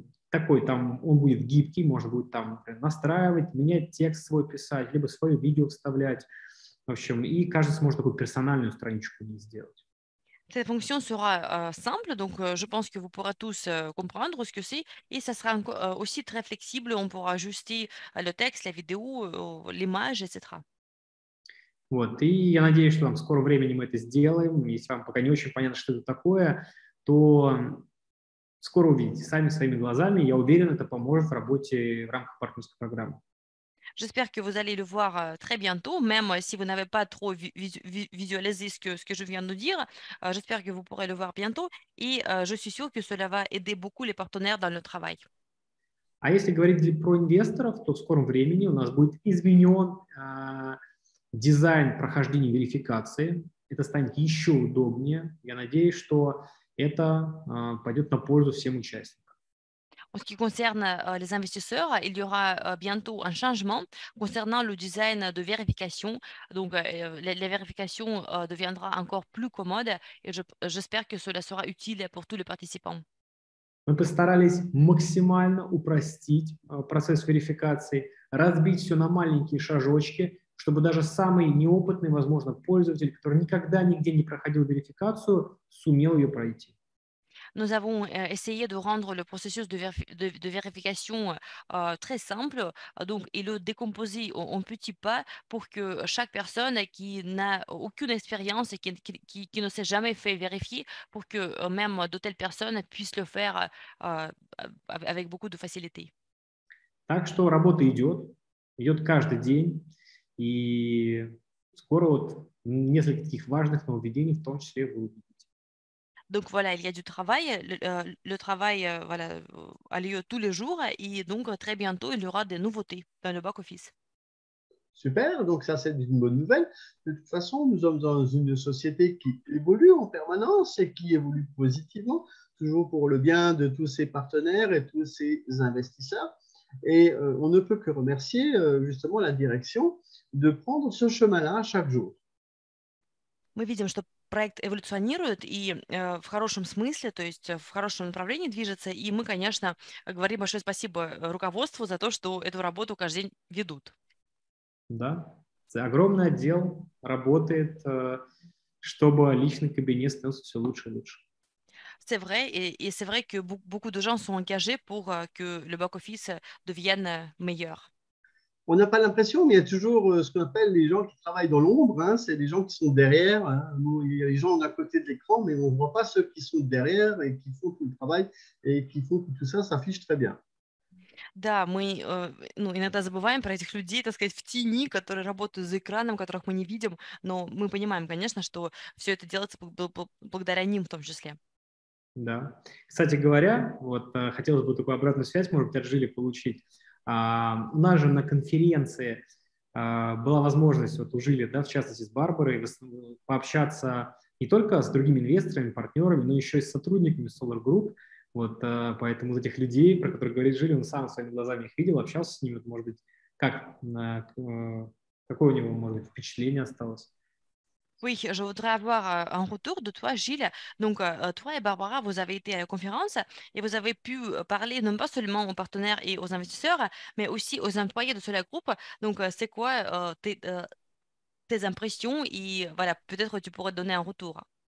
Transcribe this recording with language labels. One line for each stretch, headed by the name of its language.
Russian: Такой там, он будет гибкий, можно будет там настраивать, менять текст свой писать, либо свое видео вставлять. В общем, и каждый сможет такую персональную страничку не сделать.
French: Cette fonction sera simple, donc je pense que vous pourrez tous comprendre ce que c'est, et ça sera aussi très flexible, on pourra ajuster le texte, la vidéo, l'image, etc.
Russian: Вот, и я надеюсь, что там в скором времени мы это сделаем. Если вам пока не очень понятно, что это такое, то... Скоро увидите сами своими глазами. Я уверен, это поможет в работе в рамках партнерской программы.
French: J'espère que vous allez le voir très bientôt, même si vous n'avez pas trop visualisé ce que je viens de dire. J'espère que vous pourrez le voir bientôt, et je suis sûr que cela va aider beaucoup les partenaires dans le travail.
Russian: А если говорить про инвесторов, то в скором времени у нас будет изменен дизайн прохождения верификации. Это станет еще удобнее. Я надеюсь, что это пойдет на пользу всем участникам.
French: En ce qui concerne les investisseurs, il y aura bientôt un changement concernant le design de vérification. Donc, la vérification deviendra encore plus commode, et j'espère que cela sera utile pour tous les participants.
Russian: Мы постарались максимально упростить процесс верификации, разбить все на маленькие шажочки, чтобы даже самый неопытный, возможно, пользователь, который никогда нигде не проходил верификацию, сумел ее пройти.
French: Nous avons essayé de rendre le processus de vérification très simple, donc, et le décomposer en petits pas pour que chaque personne qui n'a aucune expérience et qui ne s'est jamais fait vérifier, pour que même de telles personnes puissent le faire avec beaucoup de facilité.
Russian: Так что работа идет, идет каждый день, и скоро вот несколько таких важных нововведений в том числе вы увидите.
French: Donc voilà, il y a du travail, le travail voilà, a lieu tous les jours, et donc très bientôt il y aura des nouveautés dans le back-office. Super, donc ça c'est une bonne nouvelle. De toute façon, nous sommes dans une société qui évolue en permanence et qui évolue positivement, toujours pour le bien de tous ses partenaires et tous ses investisseurs. Et on ne peut que remercier justement la direction de prendre ce chemin-là chaque jour.
Russian: Мы видим, что проект эволюционирует и в хорошем смысле, то есть в хорошем направлении движется, и мы, конечно, говорим большое спасибо руководству за то, что эту работу каждый день ведут. Да, это огромный отдел работает, чтобы личный кабинет становился все лучше и лучше.
French: C'est vrai, et c'est vrai que beaucoup de gens sont engagés pour que le back-office devienne meilleur. On n'a pas l'impression, mais il y a toujours ce qu'on appelle les gens qui travaillent dans l'ombre, hein, c'est les gens qui sont derrière, hein, il y a les gens à côté de l'écran, mais on ne voit pas ceux qui sont derrière et qui font tout le travail et qui font que tout ça s'affiche très bien.
Russian: Да, мы ну, иногда забываем про этих людей, так сказать, в тени, которые работают за экраном, которых мы не видим, но мы понимаем, конечно, что все это делается благодаря ним в том числе. Да. Кстати говоря, вот хотелось бы такую обратную связь, может быть, от Жили получить. У нас же на конференции была возможность вот у Жили, да, в частности с Барбарой, пообщаться не только с другими инвесторами, партнерами, но еще и с сотрудниками Solar Group. Вот поэтому этих людей, про которых говорит Жили, он сам своими глазами их видел, общался с ними. Вот, может быть, как, какое у него, может быть, впечатление осталось?
French: Oui, je voudrais avoir un retour de toi, Gilles. Donc, toi et Barbara, vous avez été à la conférence et vous avez pu parler non pas seulement aux partenaires et aux investisseurs, mais aussi aux employés de Solar Group. Donc, c'est quoi tes impressions et voilà, peut-être que tu pourrais donner un retour.